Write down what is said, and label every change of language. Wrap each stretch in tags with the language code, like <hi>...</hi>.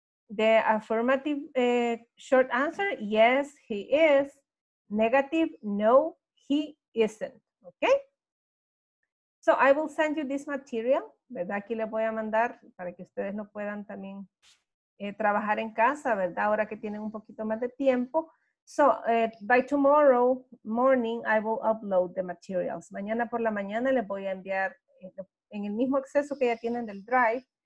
<en>The affirmative short answer, yes, he is. Negative, no, he isn't. Okay? So I will send you this material. ¿Verdad?</en> <es>Aquí le voy a mandar para que ustedes lo puedan también trabajar en casa, ¿verdad? Ahora que tienen un poquito más de tiempo.</es> <en>So by tomorrow morning, I will upload the materials.</en> <es>Mañana por la mañana les voy a enviar en el mismo acceso que ya tienen del Drive.</es>